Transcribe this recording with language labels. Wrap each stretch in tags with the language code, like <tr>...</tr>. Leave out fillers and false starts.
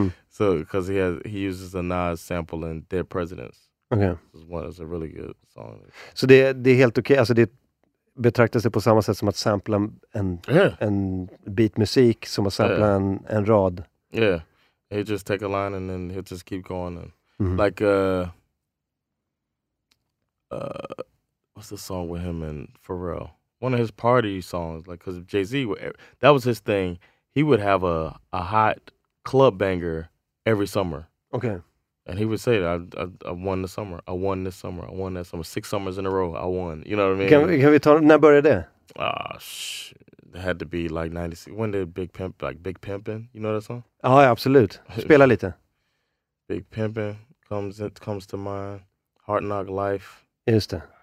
<en>So because he uses a Nas sample in Dead Presidents. Okay. It's a really good song.</en> <sv>Så det är helt okej. Alltså det betraktas det på samma sätt som att sampla en beat musik som att sampla en rad.</sv> <en>Yeah. He just take a line and then he'll just keep going. And, like what's the song with him and Pharrell? one of his party songs, like, because Jay-Z, that was his thing. He would have a hot club banger every summer. Okay. And he would say, I won this summer. I won that summer. Six summers in a row, I won. You know what I mean? Can we talk,</en> <sv>när började det?</sv> <en>Ah, shit. It had to be like 96. When did Big Pimp, like Big Pimpin? You know that song? Oh, yeah,</en> <sv>absolut. Spela lite.</sv> <en>Big Pimpin comes to mind. Heart Knock Life.</en> <sv>Just det.</sv>